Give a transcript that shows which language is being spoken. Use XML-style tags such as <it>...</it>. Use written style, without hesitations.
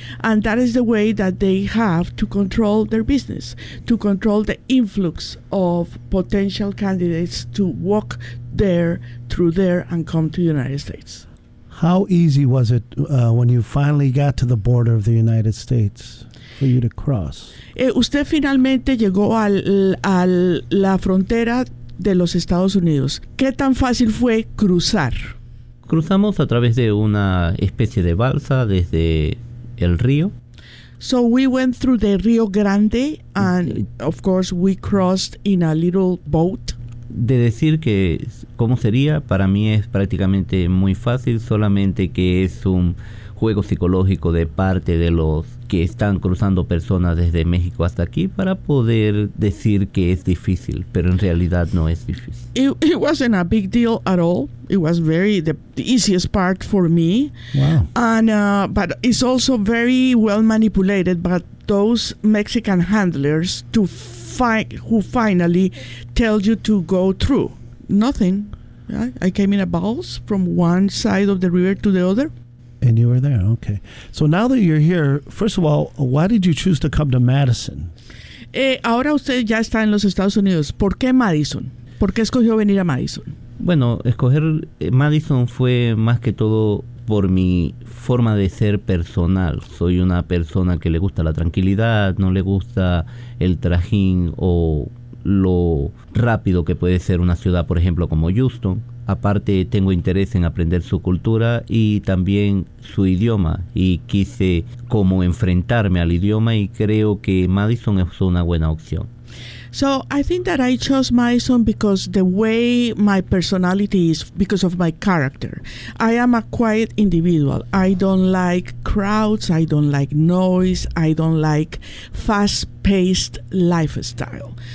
<en>And that is the way that they have to control their business, to control the influx of potential candidates to walk there, through there, and come to the United States. How easy was it when you finally got to the border of the United States for you to cross?</en> <es>Usted finalmente llegó al la frontera de los Estados Unidos. ¿Qué tan fácil fue cruzar? Cruzamos a través de una especie de balsa desde el río.</es> <en>So we went through the Rio Grande and of course we crossed in a little boat.</en> <es>De decir que cómo sería, para mí es prácticamente muy fácil, solamente que es un juego psicológico de parte de los que están cruzando personas desde México hasta aquí para poder decir que es difícil, pero en realidad no es difícil.</es> <en>It wasn't a big deal at all. It was very the easiest part for me. Wow. And but it's also very well manipulated by those Mexican handlers who finally tell you to go through. Nothing. I came in a bowls from one side of the river to the other. And you were there, okay. So now that you're here, first of all, why did you choose to come to Madison?</en> <es>Ahora usted ya está en los Estados Unidos. ¿Por qué Madison? ¿Por qué escogió venir a Madison? Bueno, escoger Madison fue más que todo por mi forma de ser personal. Soy una persona que le gusta la tranquilidad, no le gusta el trajín o lo rápido que puede ser una ciudad, por ejemplo, como Houston. Aparte, tengo interés en aprender su cultura y también su idioma, y quise como enfrentarme al idioma, y creo que Madison es una buena opción.</es> <en>So I think that I chose Madison because the way my personality is, because of my character. I am a quiet individual. I don't like crowds. I don't like noise. I don't like fast-paced lifestyle.</en>